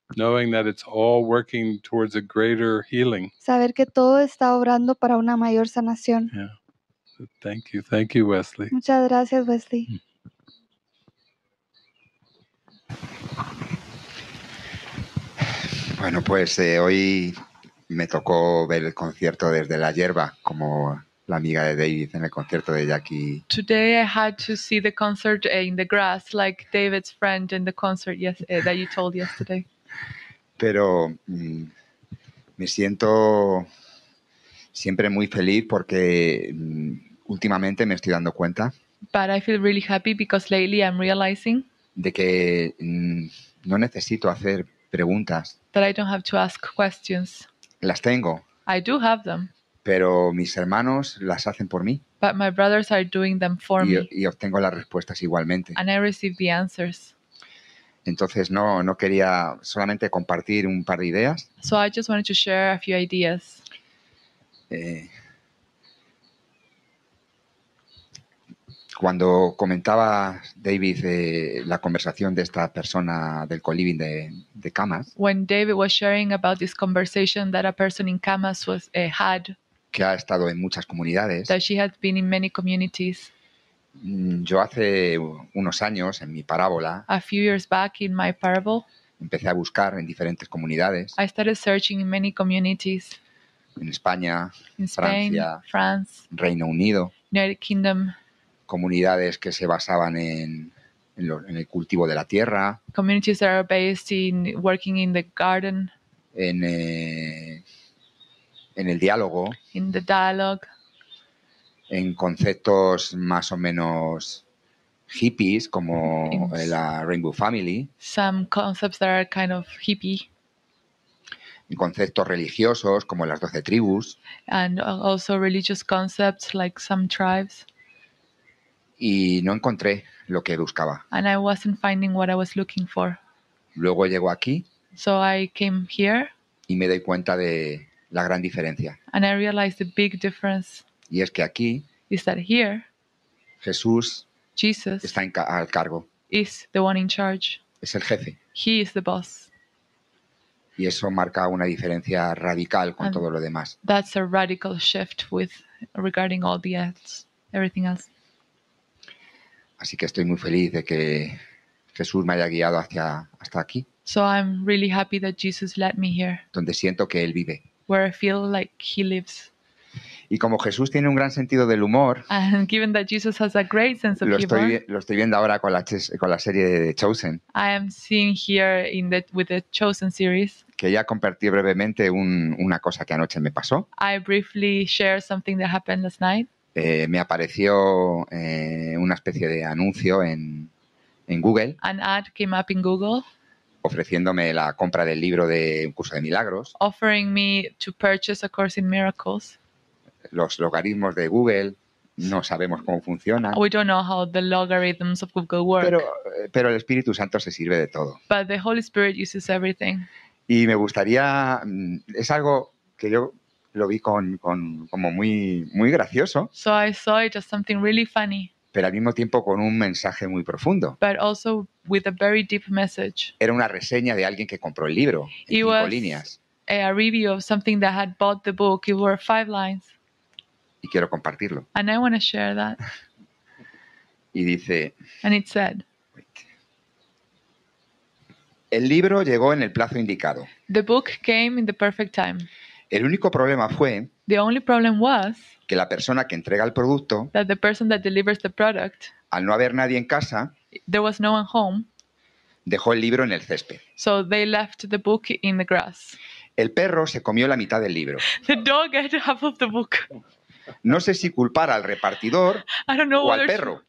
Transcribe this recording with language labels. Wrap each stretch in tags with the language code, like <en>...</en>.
<en>Knowing that it's all working towards a greater healing.</en> <es>Saber que todo está obrando para una mayor sanación.</es> <en>Yeah. Thank you, Wesley.</en> <es>Muchas gracias, Wesley. Bueno, pues hoy me tocó ver el concierto desde la hierba, como la amiga de David en el concierto de Jackie.</es> <en>Today I had to see the concert in the grass, like David's friend in the concert that you told yesterday.</en> <es>Pero me siento siempre muy feliz porque últimamente me estoy dando cuenta.</es> <en>But I feel really happy because lately I'm realizing</en> <es>de que no necesito hacer preguntas.</es> <en>That I don't have to ask questions.</en> <es>Las tengo.</es> <en>I do have them.</en> <es>Pero mis hermanos las hacen por mí.</es> <en>But my brothers are doing them for me.</en> <es>Y obtengo las respuestas igualmente.</es> <en>And I receive the answers.</en> <es>Entonces no quería solamente compartir un par de ideas.</es> <en>So I just wanted to share a few ideas.</en> <es>Cuando comentaba David la conversación de esta persona del co-living de camas.</es> <en>When David was sharing about this conversation that a person in camas was had.</en> <es>Que ha estado en muchas comunidades.</es> <en>That she had been in many communities.</en> <es>Yo hace unos años en mi parábola.</es> <en>A few years back in my parable.</en> <es>Empecé a buscar en diferentes comunidades.</es> <en>I started searching in many communities.</en> <es>En España,</es> <en>in Spain,</en> <es>Francia,</es> <en>France,</en> <es>Reino Unido.</es> <en>United Kingdom.</en> <es>Comunidades que se basaban en el cultivo de la tierra.</es> <en>Communities that are based in working in the garden.</en> <es>En el diálogo.</es> <en>In the dialogue.</en> <es>En conceptos más o menos hippies como in la Rainbow Family.</es> <en>Some concepts that are kind of hippie.</en> <es>En conceptos religiosos como las 12 tribus.</es> <en>And also religious concepts like some tribes.</en> <es>Y no encontré lo que buscaba.</es> <en>And I wasn't finding what I was looking for.</en> <es>Luego llego aquí.</es> <en>So I came here.</en> <es>Y me doy cuenta de la gran diferencia.</es> <en>And I realized the big difference.</en> <es>Y es que aquí.</es> <en>Is that here.</en> <es>Jesús.</es> <en>Jesus.</en> <es>Está al cargo.</es> <en>Is the one in charge.</en> <es>Es el jefe.</es> <en>He is the boss.</en> <es>Y eso marca una diferencia radical con todo lo demás.</es> <en>That's a radical shift with regarding all the else, everything else.</en> <es>Así que estoy muy feliz de que Jesús me haya guiado hasta aquí.</es> <en>So I'm really happy that Jesus led me here.</en> <es>Donde siento que él vive.</es> <en>Where I feel like he lives.</en> <es>Y como Jesús tiene un gran sentido del humor,</es> <en>and given that Jesus has a great sense of</en> <es>lo estoy viendo ahora con la serie de Chosen.</es> <en>I am seeing here with the Chosen series.</en> <es>Quería compartir brevemente una cosa que anoche me pasó.</es> <en>I briefly share something that happened last night.</en> <es>Me apareció una especie de anuncio en Google.</es> <en>An ad came up in Google.</en> <es>Ofreciéndome la compra del libro de un curso de milagros.</es> <en>Offering me to purchase a course in miracles.</en> <es>Los logaritmos de Google no sabemos cómo funcionan.</es> <en>We don't know how the logarithms of Google work.</en> <es>Pero el Espíritu Santo se sirve de todo.</es> <en>But the Holy Spirit uses everything.</en> <es>Y me gustaría, es algo que yo lo vi con como muy muy gracioso.</es> <en>So I saw it as something really funny.</en> <es>Pero al mismo tiempo con un mensaje muy profundo.</es> <en>But also with a very deep message.</en> <es>Era una reseña de alguien que compró el libro en 5 líneas.</es> <en>A review of something that had bought the book. It were 5 lines.</en> <es>Y quiero compartirlo.</es> <en>And I want to share that.</en> <es>Y dice.</es> <en>And it said.</en> <es>El libro llegó en el plazo indicado.</es> <en>The book came in the perfect time.</en> <es>El único problema fue.</es> <en>The only problem was.</en> <es>Que la persona que entrega el producto.</es> <en>That the person that delivers the product.</en> <es>Al no haber nadie en casa.</es> <en>There was no one home.</en> <es>Dejó el libro en el césped.</es> <en>So they left the book in the grass.</en> <es>El perro se comió la mitad del libro.</es> <en>The dog ate half of the book.</en> <es>No sé si culpar al repartidor o al perro.</es>